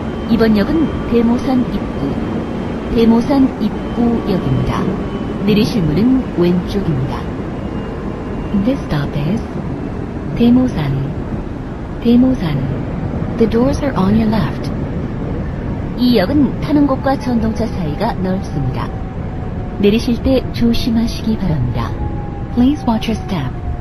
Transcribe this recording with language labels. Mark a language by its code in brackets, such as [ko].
[ko] 2번역은 대모산 입구, 대모산 입구역입니다. 내리실 문은 왼쪽입니다. [en] This stop is 대모산, 대모산. The doors are on your left. [ko] 이 역은 타는 곳과 전동차 사이가 넓습니다. 내리실 때 조심하시기 바랍니다. [en] Please watch your step.